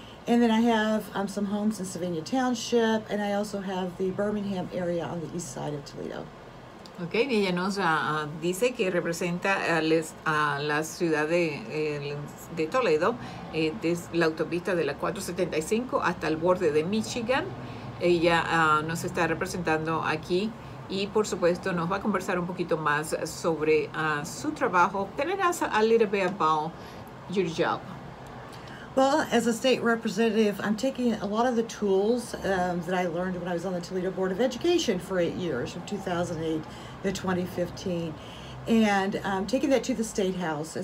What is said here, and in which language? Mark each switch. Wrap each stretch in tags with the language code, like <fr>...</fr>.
<en>And then I have some homes in Savannah Township, and I also have the Birmingham area on the east side of Toledo.</en> <es>Okay, y ella nos dice que representa a la ciudad de Toledo, desde la autopista de la 475 hasta el borde de Michigan. Ella nos está representando aquí y, por supuesto, nos va a conversar un poquito más sobre su trabajo.</es> <en>Tell us a little bit about your job. Well, as a state representative, I'm taking a lot of the tools that I learned when I was on the Toledo Board of Education for 8 years, from 2008 to 2015, and I'm taking that to the State House.</en>